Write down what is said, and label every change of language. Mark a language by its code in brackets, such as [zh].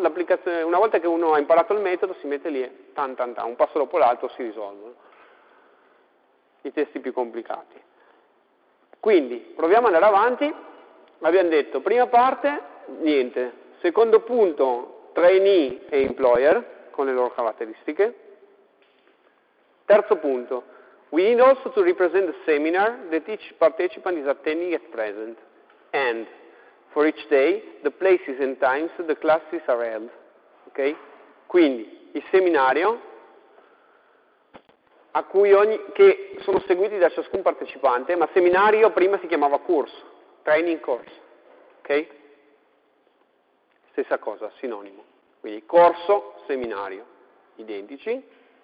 [it] L'applicazione, una volta che uno ha imparato il metodo, si mette lì, tan tan tan, un passo dopo l'altro si risolvono i testi più complicati. Quindi proviamo ad andare avanti. Abbiamo detto, prima parte, niente. Secondo punto, trainee e employer, con le loro caratteristiche. Terzo punto, [en] we need also to represent the seminar that each participant is attending at present, and for each day, the places and times the classes are held. [it] Ok? Quindi, il seminario che sono seguiti da ciascun partecipante, ma seminario prima si chiamava corso, training course. Ok? Stessa cosa, sinonimo. Quindi corso, seminario, identici.